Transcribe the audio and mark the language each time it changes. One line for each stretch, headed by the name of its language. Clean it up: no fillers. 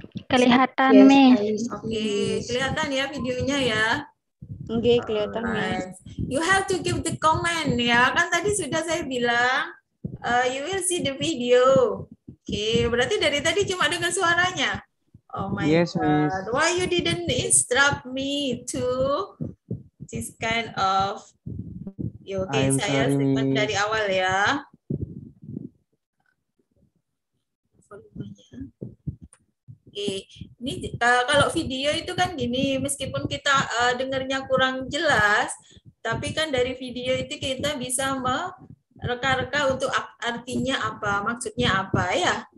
Indonesian: Kelihatan, yes, miss. Okay, kelihatan ya videonya ya? Okay, kelihatan, right, miss.
English: You have to give the comment ya,
Indonesian: kan tadi sudah saya bilang
English: you will see the video.
Indonesian: Oke, okay, berarti dari tadi cuma dengan suaranya.
English: Oh my, yes, god, miss. Why you didn't instruct me to this kind of?
Indonesian: Ya, oke, okay, saya simpan dari awal ya. Oke, okay. Ini kalau video itu kan gini, meskipun kita dengarnya kurang jelas, tapi kan dari video itu kita bisa mereka-reka untuk artinya apa, maksudnya apa ya.